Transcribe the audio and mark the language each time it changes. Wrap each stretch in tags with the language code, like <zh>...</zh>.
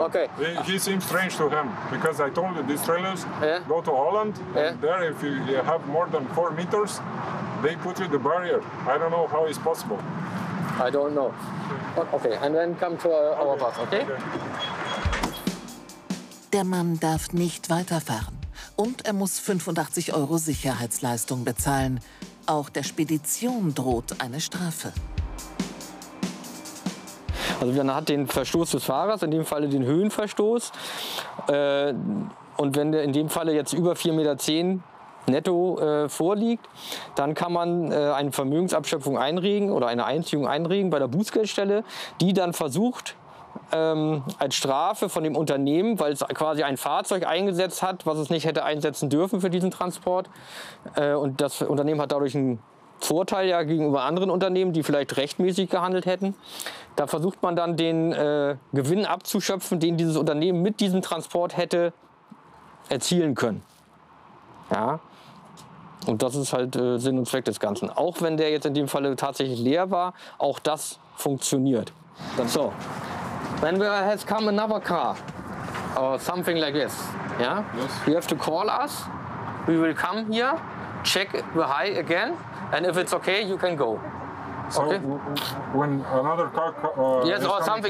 <en>Okay. He seems strange to him because I told you these trailers go to Holland. Yeah. And there, if you have more than 4 meters, they put you the barrier. I don't know how it's possible. I don't know. Okay, and then come to our bus, okay?</en> <de>Der Mann darf nicht weiterfahren und er muss 85 Euro Sicherheitsleistung bezahlen. Auch der Spedition droht eine Strafe. Also man hat den Verstoß des Fahrers, in dem Falle den Höhenverstoß. Und wenn der in dem Falle jetzt über 4,10 Meter netto vorliegt, dann kann man eine Vermögensabschöpfung einregen oder eine Einziehung einregen bei der Bußgeldstelle, die dann versucht, als Strafe von dem Unternehmen, weil es quasi ein Fahrzeug eingesetzt hat, was es nicht hätte einsetzen dürfen für diesen Transport. Und das Unternehmen hat dadurch einen Vorteil ja gegenüber anderen Unternehmen, die vielleicht rechtmäßig gehandelt hätten. Da versucht man dann den Gewinn abzuschöpfen, den dieses Unternehmen mit diesem Transport hätte erzielen können. Ja. Und das ist halt Sinn und Zweck des Ganzen. Auch wenn der jetzt in dem Falle tatsächlich leer war, auch das funktioniert. So.</de> <en>When there has come another car or something like this, yeah, yes. You have to call us. We will come here, check the high again, and if it's okay, you can go. So okay. When another car yes, or something,</en>